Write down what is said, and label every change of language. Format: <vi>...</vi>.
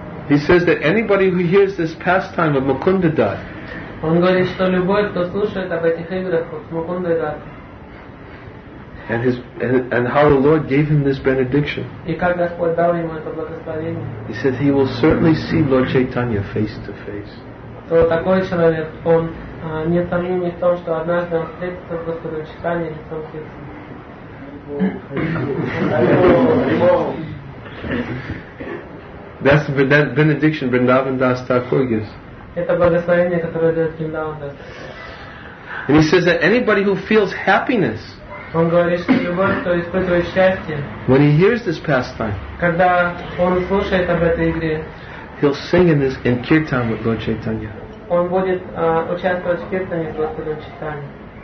<en>He says that anybody who hears this pastime of Mukunda Datta and how the Lord gave him this benediction, he says he will certainly see Lord Chaitanya face to face.</en> <ru>То такой человек, он не сомнений в том, что однажды он встретится с Господом Читанием лицом к лицу.</ru> <en>That's the benediction Vrindavan Das Thakur gives.</en> <ru>Это благословение, которое дает Vrindavan Das.</ru> <en>And he says that anybody who feels happiness,</en> <ru>он говорит, что любой, кто испытывает счастье,</ru> <en>when he hears this pastime,</en> <ru>когда он слушает об этой игре,</ru> <en>he'll sing in this in kirtan with Lord Chaitanya.</en> <ru>Он будет участвовать в киртане с Господом Читанием.</ru>